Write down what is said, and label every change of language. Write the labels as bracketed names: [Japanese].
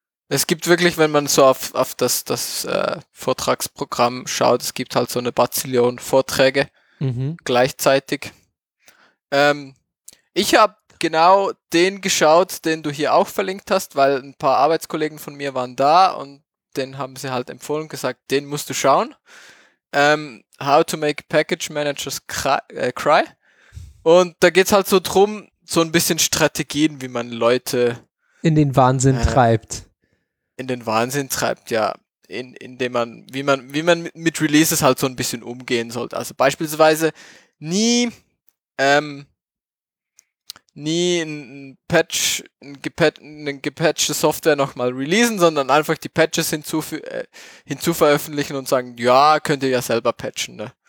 [German] Es gibt wirklich, wenn man so auf das Vortragsprogramm schaut, es gibt halt so eine Bazillion Vorträge gleichzeitig. Ich habe genau den geschaut, den du hier auch verlinkt hast, weil ein paar Arbeitskollegen von mir waren da und den haben sie halt empfohlen und gesagt, den musst du schauen. [English] How to make Package Managers cry. [German] Und da geht's halt so drum, so ein bisschen Strategien, wie man Leute in den Wahnsinn treibt. In den Wahnsinn treibt, ja, indem man, wie man mit Releases halt so ein bisschen umgehen sollte. Also beispielsweise nie eine gepatchte Software nochmal releasen, sondern einfach die Patches hinzuveröffentlichen und sagen, ja, könnt ihr ja selber patchen, ne?